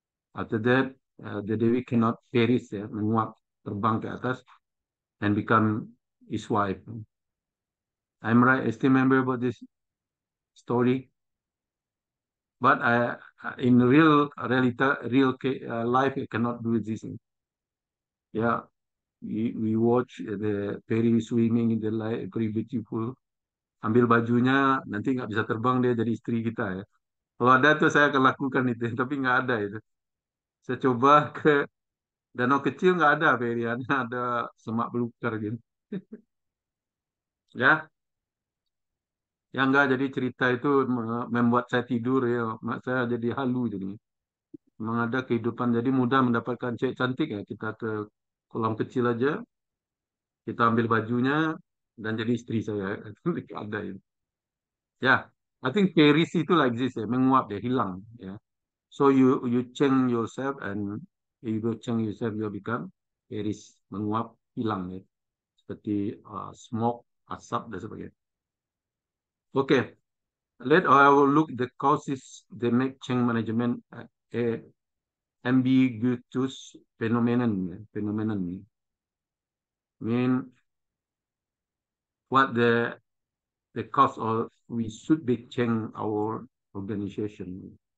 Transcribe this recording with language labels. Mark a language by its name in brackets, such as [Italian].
[English] After that, the Dewi cannot perish, [Indonesian] menguap, terbang ke atas, [English] and become his wife. I'm right. I still remember about this story. But in real reality, real life, I cannot do this. Yeah, We watch the peri swimming in the light, very beautiful. [Indonesian] Ambil bajunya, nanti nggak bisa terbang dia jadi istri kita ya. Kalau ada tuh saya akan lakukan itu, tapi nggak ada itu. Saya coba ke danau kecil nggak ada perinya, ada semak belukar gitu. Ya, ya nggak. Jadi cerita itu membuat saya tidur ya, mak saya jadi halu jadi. Memang ada kehidupan, jadi mudah mendapatkan cewek cantik ya. Kita ke kolam kecil aja, kita ambil bajunya dan jadi istri saya. Ada itu. Ya, [English] I think fairies [Indonesian] itu [English] like this [Indonesian] ya, menguap ya, hilang ya. [English] So you change yourself and you will change yourself, you become fairies, [Indonesian] menguap, hilang ya. Seperti smoke, asap dan sebagainya. [English] Oke. Okay. Let our look the causes they make change management a ambiguous phenomenon. Phenomenon mean what the cause of we should be change our organization.